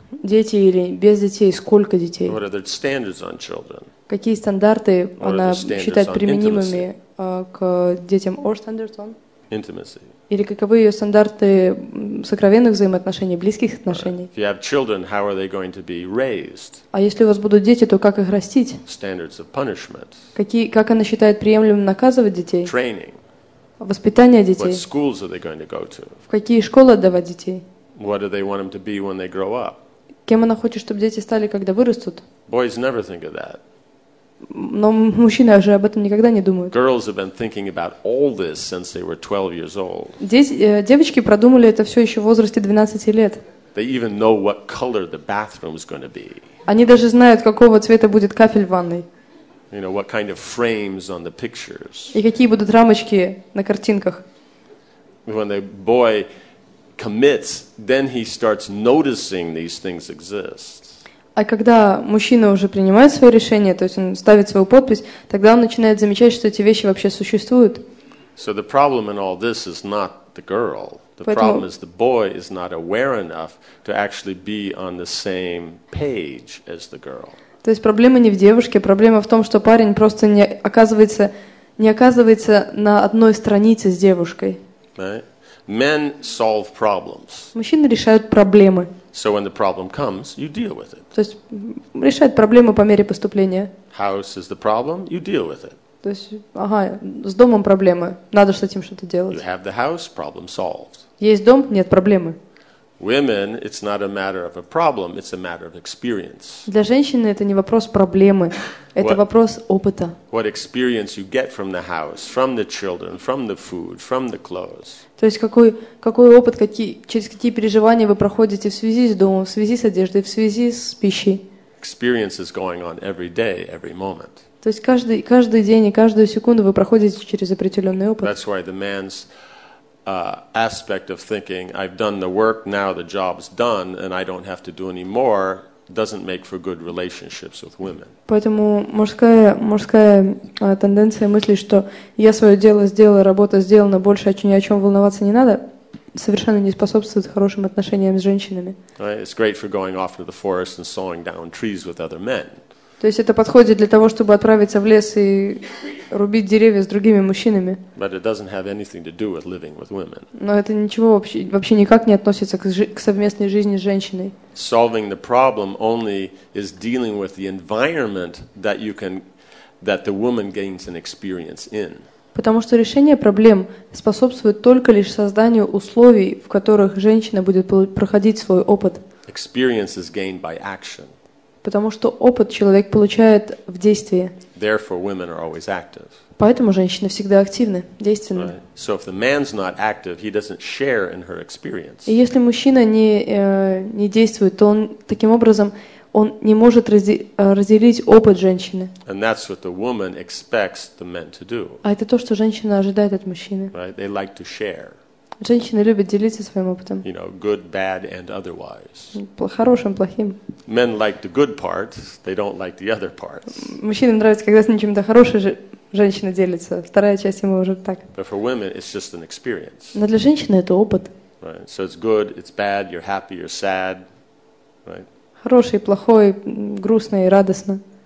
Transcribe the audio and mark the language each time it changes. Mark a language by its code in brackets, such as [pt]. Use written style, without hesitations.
[ru] Дети или без детей, сколько детей? [en] What are their standards on children? [ru] Какие стандарты она считает применимыми к детям? [en] Or standards on? Intimacy. [ru] Или каковы ее стандарты сокровенных взаимоотношений, близких отношений? [en] If you have children, how are they going to be raised? [ru] А если у вас будут дети, то как их растить? [en] Standards of punishment. [ru] Как она считает приемлемым наказывать детей? [en] Training. [ru] Воспитание детей? [en] What schools are they going to go to? [ru] В какие школы отдавать детей? [en] What do they want them to be when they grow up? [ru] Кем она хочет, чтобы дети стали, когда вырастут? [en] Boys never think of that. [ru] Но мужчины же об этом никогда не думают. [en] Girls have been thinking about all this since they were 12 years old. [ru] Девочки продумали это все еще в возрасте 12 лет. [en] They even know what color the bathroom is going to be. [ru] Они даже знают, какого цвета будет кафель в ванной. [en] You know what kind of frames on the pictures. [ru] И какие будут рамочки на картинках. [en] When the boy commits, then he starts noticing these things exist. [ru] А когда мужчина уже принимает свое решение, то есть он ставит свою подпись, тогда он начинает замечать, что эти вещи вообще существуют. [en] So the problem in all this is not the girl. The problem is the boy is not aware enough to actually be on the same page as the girl. [ru] То есть проблема не в девушке, проблема в том, что парень просто не оказывается на одной странице с девушкой. [en] Men solve problems. [ru] Мужчины решают проблемы. [en] So when the problem comes, you deal with it. [ru] То есть решает проблему по мере поступления. [en] House is the problem, you deal with it. [ru] То есть, ага, с домом проблемы, надо с этим что-то делать. [en] You have the house, problem solved. [ru] Есть дом, нет проблемы. [en] Women, it's not a matter of a problem, it's a matter of experience. [ru] Для женщины это не вопрос проблемы, это вопрос опыта. [en] What experience you get from the house, from the children, from the food, from the clothes. [ru] То есть какой опыт, через какие переживания вы проходите в связи с домом, в связи с одеждой, в связи с пищей. [en] Experience is going on every day, every moment. [ru] То есть каждый день и каждую секунду вы проходите через определенный опыт. [en] That's why the man's aspect of thinking, I've done the work, now the job's done, and I don't have to do any more, doesn't make for good relationships with women. [ru] Поэтому мужская тенденция мысли, что я свое дело сделал, работа сделана, больше ни о чем волноваться не надо, совершенно не способствует хорошим отношениям с женщинами. [en] Right? It's great for going off to the forest and sawing down trees with other men. [ru] То есть это подходит для того, чтобы отправиться в лес и рубить деревья с другими мужчинами. [en] But it doesn't have anything to do with living with women. [ru] Но это ничего вообще никак не относится к совместной жизни с женщиной. [en] Solving the problem only is dealing with the environment that you can, that the woman gains an experience in. [ru] Потому что решение проблем способствует только лишь созданию условий, в которых женщина будет проходить свой опыт. [en] Experience is gained by action. [ru] Потому что опыт человек получает в действии. [en] Therefore, women are always active. [ru] Поэтому женщины всегда активны, действенны. [en] Right. So if the man's not active, he doesn't share in her experience. [ru] И если мужчина не действует, то он таким образом он не может разделить опыт женщины. [en] And that's what the woman expects the men to do. [ru] А это то, что женщина ожидает от мужчины. [en] Right. They like to share. [ru] Женщины любят делиться своим опытом. [en] You know, good, bad, and otherwise. [ru] Хорошим, плохим. [en] Men like the good parts, they don't like the other parts. [ru] Мужчинам нравится, когда с ним чем-то хорошей женщина делится. Вторая часть ему уже так. [en] But for women, it's just an experience. [ru] Но для женщины это опыт. [en] Right. So it's good, it's bad, you're happy, you're sad. Right. [ru] Хороший, плохой, грустно и радостно.